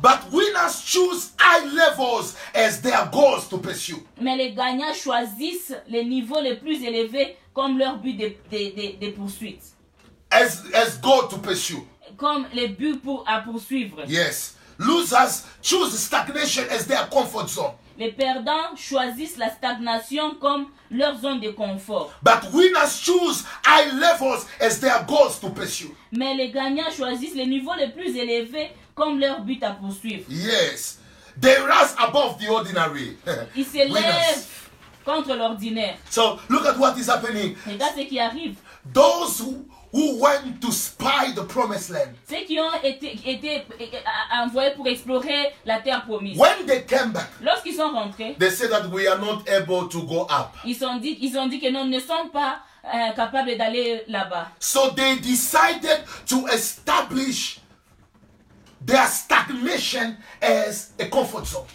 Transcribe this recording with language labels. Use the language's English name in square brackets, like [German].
[English] But winners choose high levels as their goals to pursue. [French] Mais les gagnants choisissent les niveaux les plus élevés comme leur but de poursuite. [English] as goal to pursue. [French] Comme les buts pour à poursuivre. [English] Yes. Losers choose stagnation as their comfort zone. [French] Les perdants choisissent la stagnation comme leur zone de confort. [English] But winners choose high levels as their goals to pursue. [French] Mais les gagnants choisissent les niveaux les plus élevés comme leur but à poursuivre. [English] Yes. They rise above the ordinary. [French] Ils se lèvent contre l'ordinaire. [English] So look at what is happening. [French] Regarde ce qui arrive. [English] Those who went to spy the promised land. [French] Ceux qui ont été envoyés pour explorer la terre promise. [English] When they came back. [French] Lorsqu'ils sont rentrés. [English] They said that we are not able to go up. [French] Ils ont dit que nous ne sommes pas capables d'aller là-bas. [English] So they decided to establish their stagnation as a comfort zone.